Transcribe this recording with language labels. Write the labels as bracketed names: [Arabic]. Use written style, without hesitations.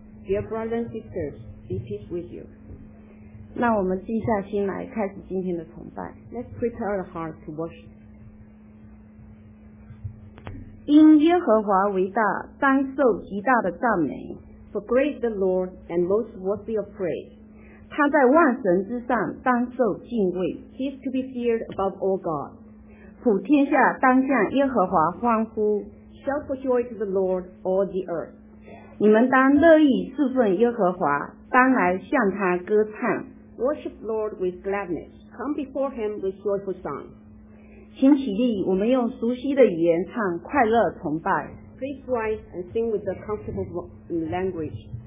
[English] Dear brothers and sisters, be peace with you. [Chinese] 那我们静下心来开始今天的崇拜。 [English] Let's prepare our hearts to worship. [Chinese] 因耶和华为大，当受极大的赞美。 [English] For great the Lord and most worthy of praise. [Chinese] 他在万神之上，当受敬畏。 [English] He is to be feared above all gods. [Chinese] 普天下当向耶和华欢呼。 [English] Shout for joy to the Lord, all the earth. [Chinese] 你们当乐意侍奉耶和华，当来向他歌唱。 [English] Worship the Lord with gladness. Come before him with joyful songs. [Chinese] 请起立，我们用熟悉的语言唱快乐崇拜。 [English] Please rise and sing with a comfortable language.